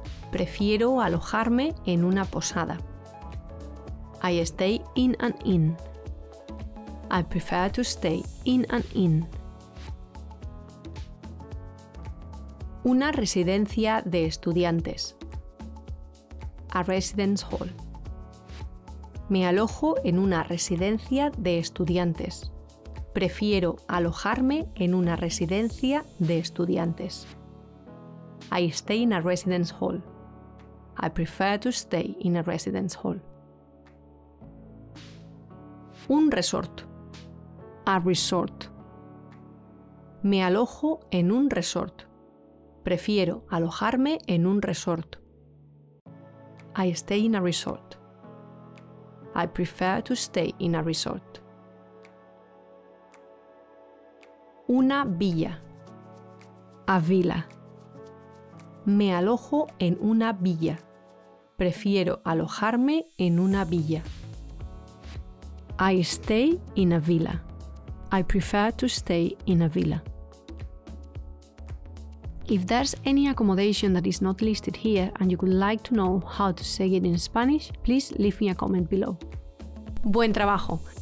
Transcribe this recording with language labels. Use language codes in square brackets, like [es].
[es] Prefiero alojarme en una posada. [en] I stay in an inn. I prefer to stay in an inn. [es] Una residencia de estudiantes. [en] A residence hall. [es] Me alojo en una residencia de estudiantes. prefiero alojarme en una residencia de estudiantes. [en] I stay in a residence hall. I prefer to stay in a residence hall. [es] Un resort. [en] A resort. [es] Me alojo en un resort. Prefiero alojarme en un resort. [en] I stay in a resort. I prefer to stay in a resort. [es] Una villa. [en] A villa. [es] Me alojo en una villa. Prefiero alojarme en una villa. [en] I stay in a villa. I prefer to stay in a villa. If there's any accommodation that is not listed here and you would like to know how to say it in Spanish, please leave me a comment below. [es] ¡Buen trabajo!